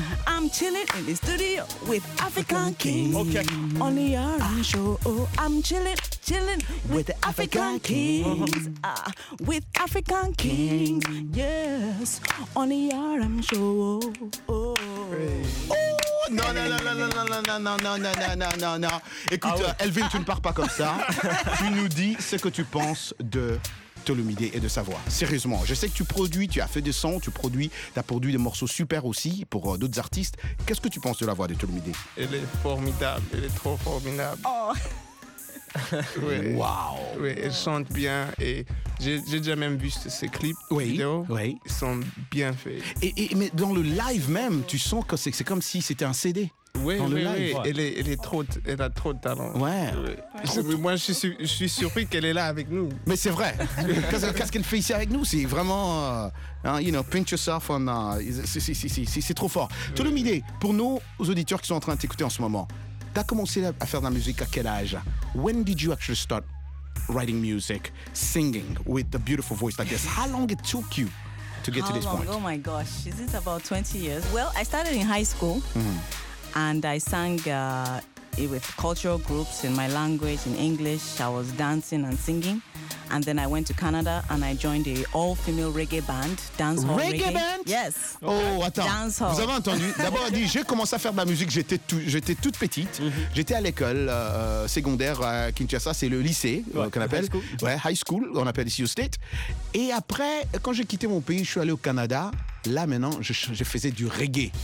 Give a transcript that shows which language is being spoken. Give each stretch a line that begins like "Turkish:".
English: I'm chilling in the studio with African kings. Okay. On the RM show. I'm chilling with the African kings. With African kings, yes, on the RM show. No.
French: Écoute, Elvin, tu ne pars pas comme ça. Tu nous dis ce que tu penses de Tolumide et de sa voix. Sérieusement, je sais que tu produis, tu as fait des sons, tu as produit des morceaux super aussi pour d'autres artistes. Qu'est-ce que tu penses de la voix de Tolumide? Elle est formidable, elle est trop formidable. Oh. Oui. Wow. Oui, elle chante bien et j'ai déjà même vu ces clips, oui, vidéo. Oui. Ils sont bien faits. Mais dans le live même, tu sens que c'est comme si c'était un CD. Oui, oui, oui. Elle a trop de talent. Ouais. Oui. Moi, je suis surpris qu'elle est là avec nous. Mais c'est vrai. Qu'est-ce qu'elle fait ici avec nous? C'est vraiment,
English: you know, pinch yourself on.
French: C'est trop fort. Oui. Tout le midi, pour nos auditeurs qui sont en train de t'écouter en ce moment, t'as commencé à faire de la musique à quel âge?
English: When did you actually start writing music, singing with a beautiful voice like this? How long it took you to get how to this long? Point? Oh my gosh, is it about 20 years? Well, I started in high school. Mm-hmm. And I sang with cultural groups in my language, in English. I was dancing and singing. And then I went to Canada and I joined a all-female reggae band, dancehall reggae. Reggae band? Yes.
French: Oh, attends.
English: Dancehall.
French: Vous avez entendu? D'abord, elle dit, j'ai commencé à faire de la musique, j'étais toute petite. Mm-hmm. J'étais à l'école secondaire à Kinshasa, c'est le lycée qu'on appelle.
English: High school.
French: Ouais, high school, on appelle ici au State. Et après, quand j'ai quitté mon pays, je suis allé au Canada. Là, maintenant, je faisais du reggae.